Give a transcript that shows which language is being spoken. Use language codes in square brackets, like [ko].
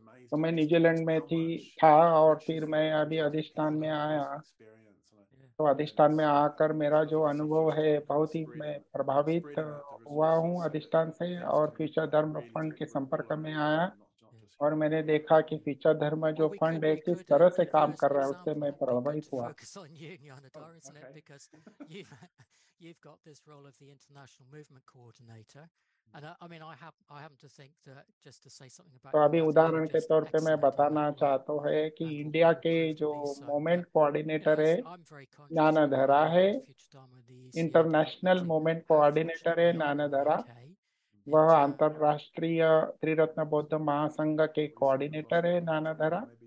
[hi] तो मैं न्यूजीलैंड में था और फिर मैं अभी अधिष्ठान में आया, तो अधिष्ठान में आकर मेरा जो अनुभव है बहुत ही मैं प्रभावित हुआ हूँ अधिष्ठान से, और फ्यूचर धर्म फंड के संपर्क में आया और मैंने देखा कि फ्यूचर धर्म जो फंड है किस तरह से काम कर रहा है, उससे मैं प्रभावित हुआ। [en] You've got this role of the international movement coordinator, and I happen to think that just to say something about. [hi] तो अभी उदाहरण के तौर पे मैं बताना चाहता हूँ कि इंडिया के जो मूवमेंट कोऑर्डिनेटर है नानाधरा है, इंटरनेशनल मूवमेंट कोऑर्डिनेटर है नानाधरा, वह अंतर्राष्ट्रीय त्रिरत्न बौद्ध महासंघ के कोऑर्डिनेटर है नानाधरा।